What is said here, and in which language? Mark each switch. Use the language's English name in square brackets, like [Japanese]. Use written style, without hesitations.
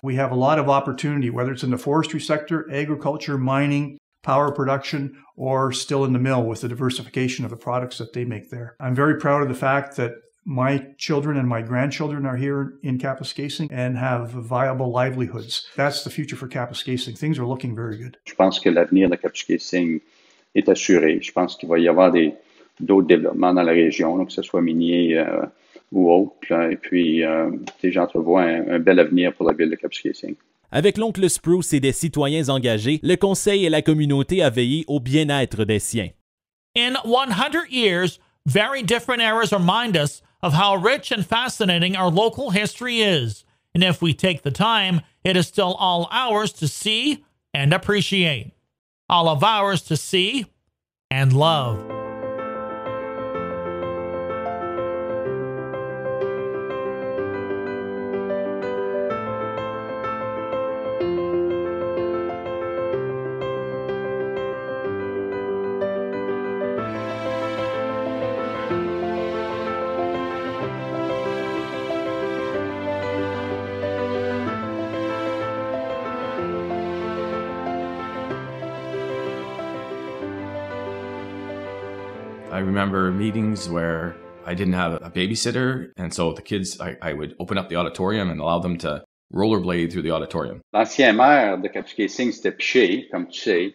[English] We have a lot of opportunity, whether it's in the forestry sector, agriculture, mining, power production, or still in the mill with the diversification of the products that they make there. I'm very proud of the fact that my children and my grandchildren are here in Kapuskasing and have viable livelihoods. That's the future for Kapuskasing. Things are looking very good. [French] Je pense que l'avenir de Kapuskasing est assuré. Je pense qu'il va y avoir d'autres développements dans la région, que ce soit minier ou autre. Et puis, j'entrevois un bel avenir pour la ville de Kapuskasing. Avec l'oncle Spruce et des citoyens engagés, le conseil et la communauté a veillé au bien-être des siens. [English] In 100 years, very different eras remind us of how rich and fascinating our local history is. And if we take the time, it is still all ours to see and appreciate. All of ours to see and love. I remember meetings where I didn't have a babysitter, and so the kids, I would open up the auditorium and allow them to rollerblade through the auditorium. [French] L'ancien maire de Kapuskasing, c'était Piché, comme tu sais.